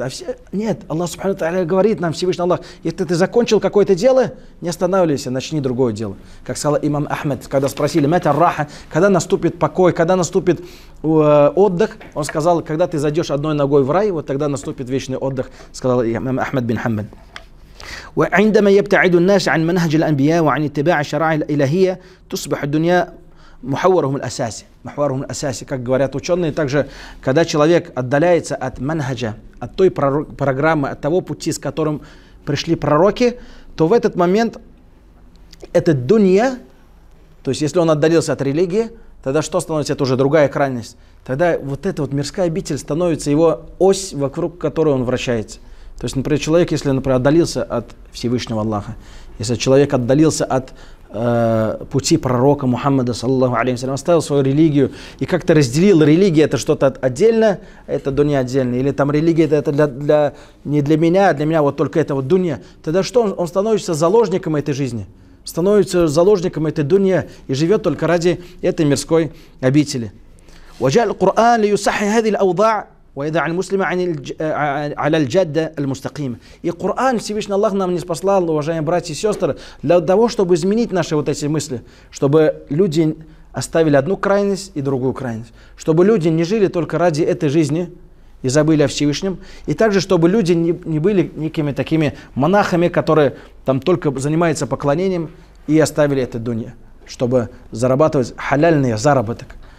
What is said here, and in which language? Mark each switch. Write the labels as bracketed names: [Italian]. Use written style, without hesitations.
[Russian] А все, нет, Аллах Субхану Тааля говорит нам, Всевышний Аллах: если ты закончил какое-то дело, не останавливайся, начни другое дело. Как сказал имам Ахмед, когда спросили: мэта раха, когда наступит покой, когда наступит отдых, он сказал: когда ты зайдешь одной ногой в рай, вот тогда наступит вечный отдых, сказал имам Ахмед бин Хамбан. [Arabic] وعندما يبتعد الناس عن منهج الأنبياء وعن اتباع الشرائع الإلهية تصبح الدنيا мухаварухум аль-асаси. [Russian] Мухаварухум аль-асаси, как говорят ученые, также, когда человек отдаляется от манхаджа, от той программы, от того пути, с которым пришли пророки, то в этот момент эта дунья, то есть если он отдалился от религии, тогда что становится? Это уже другая крайность. Тогда вот эта вот мирская обитель становится его ось, вокруг которой он вращается. То есть, например, человек, если, например, отдалился от Всевышнего Аллаха, если человек отдалился от пути пророка Мухаммада, саллаллаху алейхи ва саллям, оставил свою религию и как-то разделил религию, это что-то отдельно, это дунья отдельно, или там религия это для, не для меня, а для меня вот только это вот дунья, тогда что он становится заложником этой жизни? Становится заложником этой дунья и живет только ради этой мирской обители. [Arabic] وجعل القرآن ليصحح هذه الأوضاع ويدع المسلم عن على الجادة المستقيمة. [Russian] И Коран, Всевышний Аллах нам не послал, уважаемые братья и сестры, для того, чтобы изменить наши вот эти мысли, чтобы люди оставили одну крайность и другую крайность, чтобы люди не жили только ради этой жизни и забыли о Всевышнем, и также чтобы люди не были некими такими монахами, которые там только занимаются поклонением и оставили эту дунья, чтобы зарабатывать халяльный заработок.